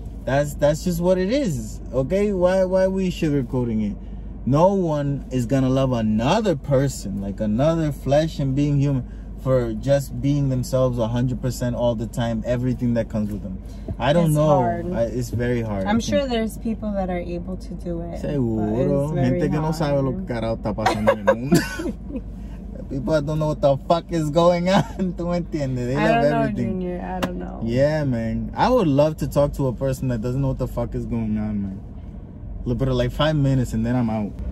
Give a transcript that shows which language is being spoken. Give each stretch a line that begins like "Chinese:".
English: That's just what it is. Okay, why are we sugarcoating it? No one is gonna love another person, like another flesh and being human, for just being themselves 100% all the time, everything that comes with them. I don't it's know. Hard. It's very hard. I'm sure there's people that are able to do it.
Spanish: Seguro. Gente que no sabe lo que carajo está pasando en el mundo.
English: People don't know what the fuck is going on.
Spanish: Tú me entiendes?
English: They love everything. I don't know, Junior. I don't know. Yeah, man. I would love to talk to a person that doesn't know what the fuck is going on, man. A little bit of like 5 minutes and then I'm out.